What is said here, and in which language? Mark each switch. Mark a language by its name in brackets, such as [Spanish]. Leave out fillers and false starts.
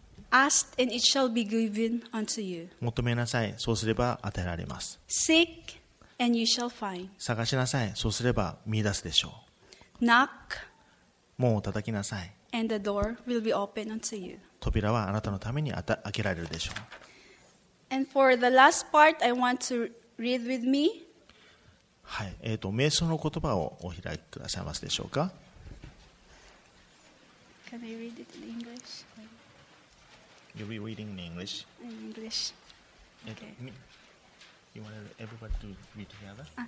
[English] Ask and it shall be given unto you. [Japanese] 求めなさい、そうすれば与えられます。 [English] Seek and you shall find. [Japanese] 探しなさい、そうすれば見出すでしょう。 [English] Knock. [Japanese] 門を叩きなさい。 [English] And the door will be open unto you. [Japanese] 扉はあなたのために開けられるでしょう。 [English] And for the last part, I want to read with me. [Japanese] はい、瞑想の言葉をお開きくださいますでしょうか。 [English] Can I read it in English? You'll be reading in English. In English. Okay. You want everybody to read together?